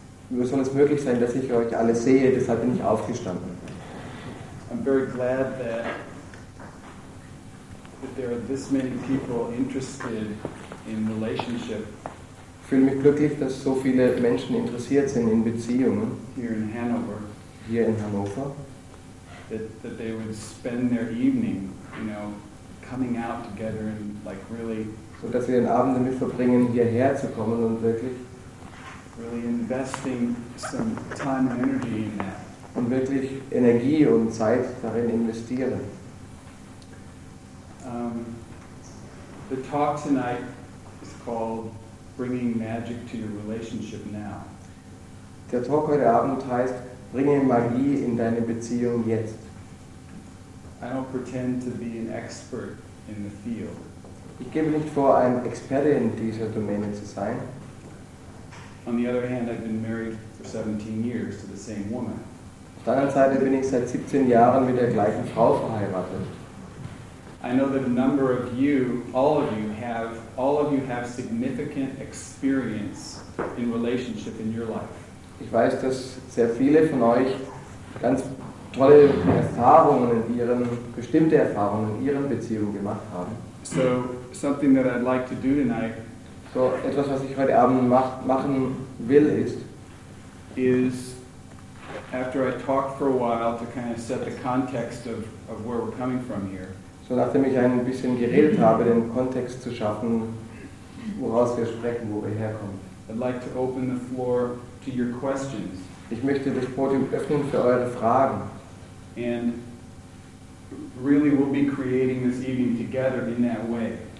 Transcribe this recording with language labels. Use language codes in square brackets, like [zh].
[de] Mir soll es möglich sein, dass ich euch alle sehe, deshalb bin ich aufgestanden. [en] I'm very glad that there are this many people interested in relationship. [de] Ich fühle mich glücklich, dass so viele Menschen interessiert sind in Beziehungen. [en] Here in Hanover. [de] Hier in Hannover. [en] That they would spend their evening, you know, coming out together and like really. [de] So dass wir den Abend damit verbringen, hierher zu kommen und wirklich. [en] Really investing some time and energy in that. [de] Und wirklich Energie und Zeit darin investieren. [en] The talk tonight is called Bringing Magic to Your Relationship Now. [de] Der Talk heute Abend heißt Bringe Magie in deine Beziehung jetzt. [en] I don't pretend to be an expert in the field. [de] Ich gebe nicht vor, ein Experte in dieser Domäne zu sein. [en] On the other hand, I've been married for 17 years to the same woman. [de] Auf der anderen Seite bin ich seit 17 Jahren mit der gleichen Frau verheiratet. [en] I know that a number of you, all of you have significant experience in relationship in your life. [de] Ich weiß, dass sehr viele von euch ganz tolle Erfahrungen in ihren bestimmte Erfahrungen in ihren Beziehungen gemacht haben. [en] So something that I'd like to do tonight. [de] So etwas, was ich heute Abend machen will, ist [en] after I talk for a while to kind of set the context of where we're coming from here. [de] So nachdem ich ein bisschen geredet habe, den Kontext zu schaffen, woraus wir sprechen, wo wir herkommen. [en] I'd like to open the floor to your questions. [de] Ich möchte das Podium öffnen für eure Fragen. [en] And really we'll be creating this evening together in that way.